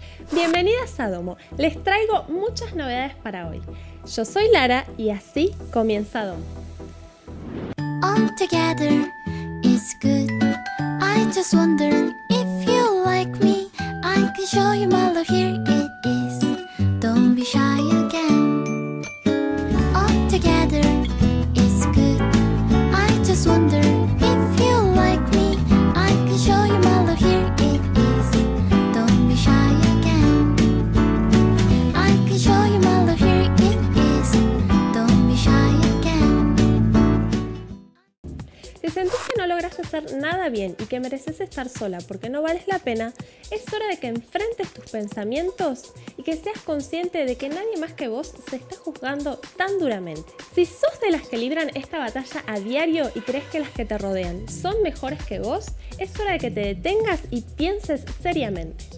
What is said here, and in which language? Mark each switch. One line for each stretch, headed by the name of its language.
Spanish: Bienvenidas a Domo, les traigo muchas novedades para hoy. Yo soy Lara y así comienza Domo.
English: All together is good. I just wonder if you like me. I can show you my love, here it is. Don't be shy again. All together is good. I just wonder if you like me. I can show you my love, here it is. Don't be shy again. I can show you my love, here it is. Don't be shy again.
Spanish: Si sentís que no logras hacer nada bien y que mereces estar sola porque no vales la pena, es hora de que enfrentes tus pensamientos y que seas consciente de que nadie más que vos se está juzgando tan duramente. Si sos de las que libran esta batalla a diario y crees que las que te rodean son mejores que vos, es hora de que te detengas y pienses seriamente.